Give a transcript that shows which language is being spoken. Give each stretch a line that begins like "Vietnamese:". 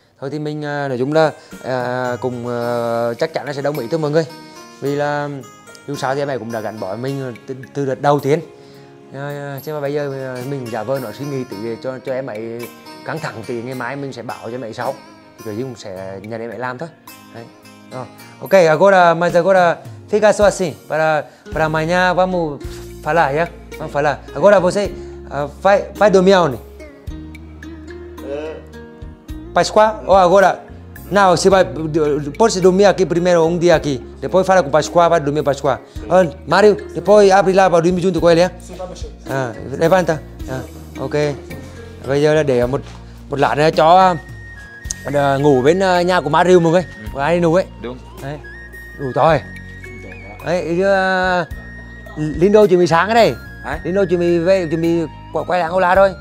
Vietnamese: Thôi thì mình nói chung là cùng chắc chắn là sẽ đồng ý thôi mọi người. Vì là dù sao thì em ấy cũng đã gắn bó với mình từ đợt đầu tiên. Chứ mà bây giờ mình giả vờ nói suy nghĩ tí cho em ấy căng thẳng tí, ngày mai mình sẽ bảo cho em ấy sau. Thì cũng sẽ nhận em ấy làm thôi. Đấy.
Portuguese: Ok, agora, mas agora fica só assim para amanhã vamos falar, yeah? Vamos falar. Agora você vai dormir onde? Pascoa? Ou agora? Não, você vai pode dormir aqui primeiro um dia aqui. Depois fala com o Pascoa, vai dormir com o Pascoa. Mário, depois abre lá para dormir junto com ele, yeah? Levanta. Ok.
Vietnamese: Bây giờ là để một lát nữa cho ngủ bên nhà của Mario một cái. Của ai đi ngủ ấy. Đúng. Đấy. Đủ rồi. Đấy, Lindo chuẩn bị sáng ở đây. Lindo chuẩn bị về, chuẩn bị quay lại Âu La thôi.